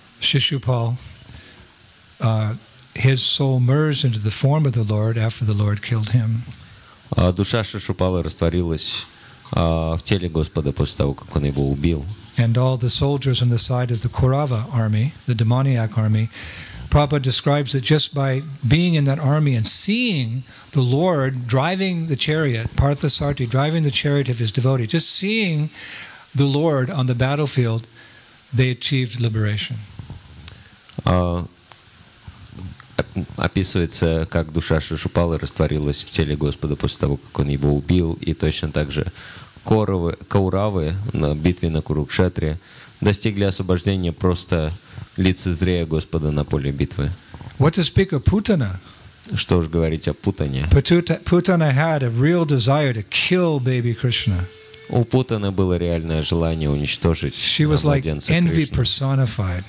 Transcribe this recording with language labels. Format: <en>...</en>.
<en>Shishupal, his soul merged into the form of the Lord after the Lord killed him.</en> <ru>Душа Шишупалы растворилась в теле Господа после того, как он его убил.</ru> <en>And all the soldiers on the side of the Kaurava army, the demoniac army, Prabhupada describes that just by being in that army and seeing the Lord driving the chariot, Parthasarathi driving the chariot of his devotee, just seeing the Lord on the battlefield, they achieved liberation.</en> <ru>Описывается, как душа Шишупалы растворилась в теле Господа после того, как он его убил, и точно так же Кауравы на битве на Курукшетре достигли освобождения просто лицезрея Господа на поле битвы.</ru> <en>What to speak of Putana?</en> <ru>Что уж говорить о Путане?</ru> <en>Putana had a real desire to kill baby Krishna.</en> <ru>У Путаны было реальное желание уничтожить младенца Кришны.</ru>